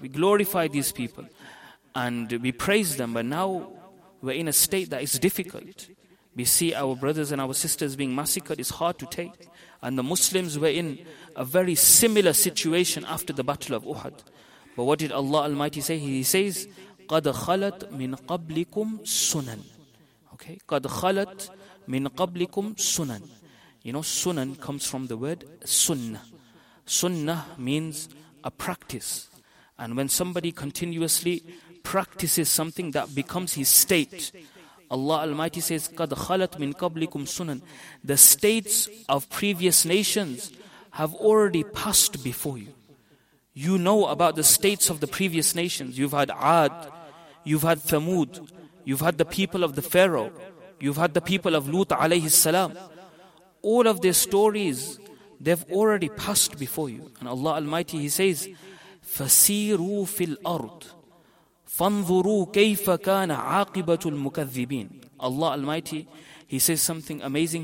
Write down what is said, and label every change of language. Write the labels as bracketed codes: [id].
[en] We glorify these people and we praise them. But now we're in a state that is difficult. We see our brothers and our sisters being massacred. It's hard to take. And the Muslims were in a very similar situation after the Battle of Uhud. But what did Allah Almighty say? He says, [ar] قَدْ خَلَتْ مِنْ قَبْلِكُمْ سُنَنْ. [en] Okay, [ar] قَدْ خَلَتْ مِنْ قَبْلِكُمْ سُنَنْ. [en] You know, sunan comes from the word sunnah. Sunnah means a practice. And when somebody continuously practices something, that becomes his state. Allah Almighty says, [ar] قَدْ خَلَتْ مِنْ قَبْلِكُمْ سُنَنْ. [en] The states of previous nations have already passed before you. You know about the states of the previous nations. You've had Ad, you've had Thamud, you've had the people of the Pharaoh, you've had the people of Lut alayhi salam. All of their stories, they've already passed before you. And Allah Almighty, He says, [ar] فَسِيرُوا فِي الْأَرْضِ فَانْظُرُوا كَيْفَ كَانَ عَاقِبَةُ الْمُكَذِّبِينَ. [en] Allah Almighty, He says something amazing.